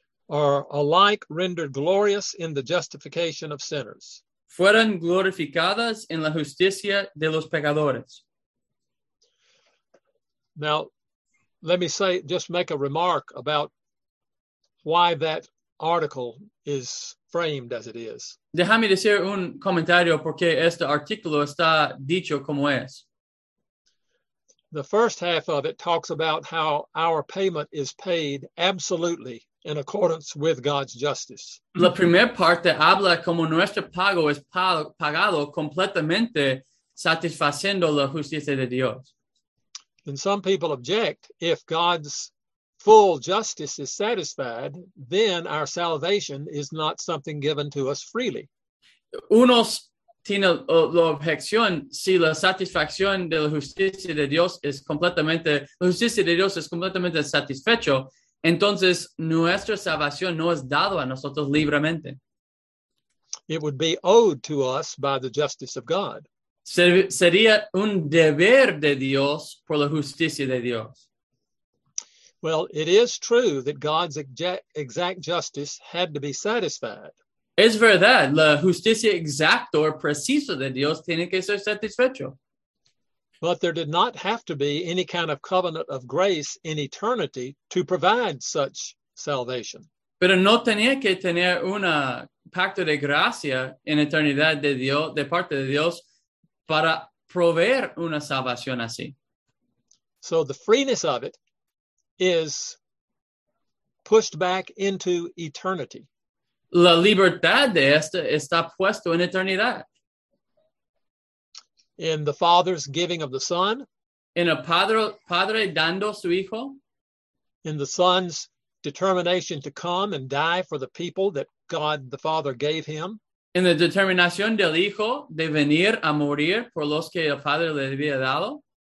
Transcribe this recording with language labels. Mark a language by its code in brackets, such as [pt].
[en] Are alike rendered glorious in the justification of sinners. [es] Fueron glorificadas en la justicia de los pecadores. [en] Now, let me say, just make a remark about why that article is framed as it is. [es] Déjame decir un comentario porque este artículo está dicho como es. [en] The first half of it talks about how our payment is paid absolutely in accordance with God's justice. [es] La primera parte habla como nuestro pago es pagado completamente satisfaciendo la justicia de Dios. [en] And some people object, if God's full justice is satisfied, then our salvation is not something given to us freely. [es] Unos tienen la objeción si la satisfacción de la justicia de Dios es completamente, la justicia de Dios es completamente satisfecho, entonces nuestra salvación no es dado a nosotros libremente. [en] It would be owed to us by the justice of God. [es] Sería un deber de Dios por la justicia de Dios. [en] Well, it is true that God's exact justice had to be satisfied. [es] Es verdad, la justicia exacta o precisa de Dios tiene que ser satisfecho. [en] But there did not have to be any kind of covenant of grace in eternity to provide such salvation. [es] Pero no tenía que tener una pacto de gracia en eternidad de Dios, de parte de Dios, para proveer una salvación así. [en] So the freeness of it is pushed back into eternity. [es] La libertad de esta está puesto en eternidad. [en] In the Father's giving of the Son. [es] En el Padre dando su Hijo. [en] In the Son's determination to come and die for the people that God the Father gave him. [es] En la determinación del Hijo de venir a morir por los que el Padre le había dado.